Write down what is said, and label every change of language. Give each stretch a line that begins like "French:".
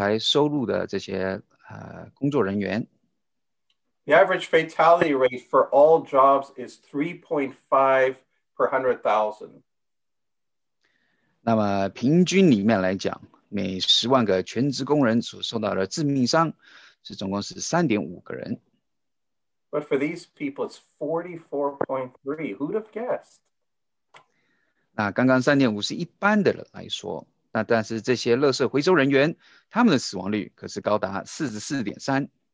Chinese: 第5名是垃圾和可收器材收入的这些工作人员。
English: The average fatality rate for all jobs is 3.5 per 100,000.
Chinese: 那么平均里面来讲，每10万个全职工人所受到的致命伤是总共是3.5个人。
English: But for these people, it's 44.3. Who'd have guessed?
Chinese: 那刚刚3.5是一般的来说，那但是这些垃圾回收人员，他们的死亡率可是高达44.3。